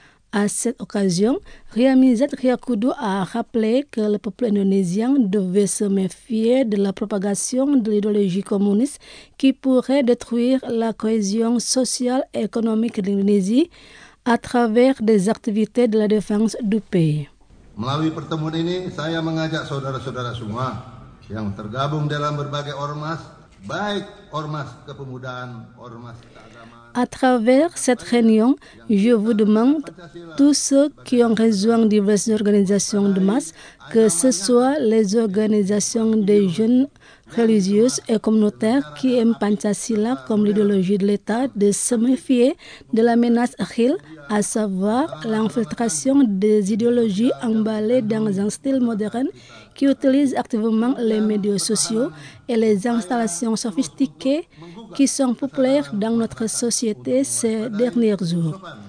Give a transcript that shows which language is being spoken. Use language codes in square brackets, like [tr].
[fr] À cette occasion, Riamizat Riyakudu a rappelé que le peuple indonésien devait se méfier de la propagation de l'idéologie communiste qui pourrait détruire la cohésion sociale et économique de l'Indonésie à travers des activités de la défense du pays. [id] Melalui pertemuan ini, saya mengajak saudara-saudara semua yang tergabung dalam berbagai ormas, baik ormas kepemudaan, ormas [fr] à travers cette réunion, je vous demande, tous ceux qui ont rejoint diverses organisations de masse, que ce soit les organisations des jeunes religieuses et communautaires qui aiment Pancasila comme l'idéologie de l'État, de se méfier de la menace réelle, à savoir l'infiltration des idéologies emballées dans un style moderne qui utilise activement les médias sociaux et les installations sophistiquées qui sont populaires dans notre société ces derniers jours.